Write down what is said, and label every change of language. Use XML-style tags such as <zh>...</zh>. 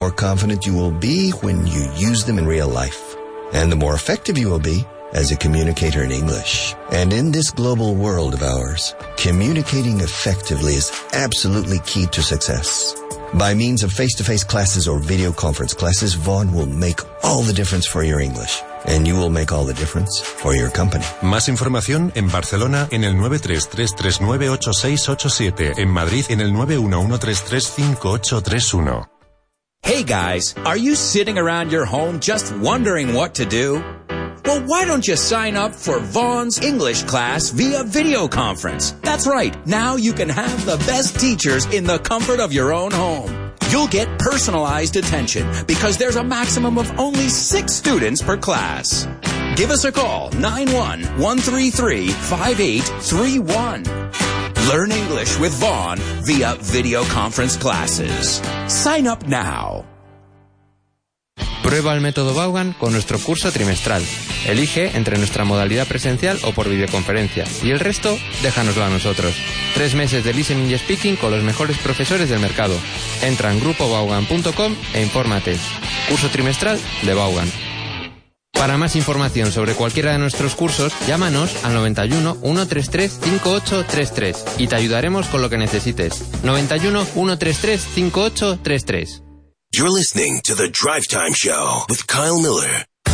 <en>more confident you will be when you use them in real life, and the more effective you will be as a communicator in English. And in this global world of ours, communicating effectively is absolutely key to success. By means of face-to-face classes or video conference classes, Vaughn will make all the difference for your English. And you will make all the difference for your company.</en> <es>Más información en Barcelona en el 933398687. En Madrid en el 911335831.</es> <en>Hey guys, are you sitting around your home just wondering what to do? Well, why don't you sign up for Vaughn's English class via video conference? That's right. Now you can have the best teachers in the comfort of your own home. You'll get personalized attention because there's a maximum of only 6 students per class. Give us a call, 91-133-5831. Learn English with Vaughn via video conference classes. Sign up now.</en> <es>Prueba el método Vaughan con nuestro curso trimestral. Elige entre nuestra modalidad presencial o por videoconferencia. Y el resto, déjanoslo a nosotros. 3 meses de listening y speaking con los mejores profesores del mercado. Entra en grupovaughan.com e infórmate. Curso trimestral de Vaughan. Para más información sobre cualquiera de nuestros cursos, llámanos al 91-133-5833 y te ayudaremos con lo que necesites. 91-133-5833.</es> <en>You're listening to The Drive Time Show with Kyle Miller.</en>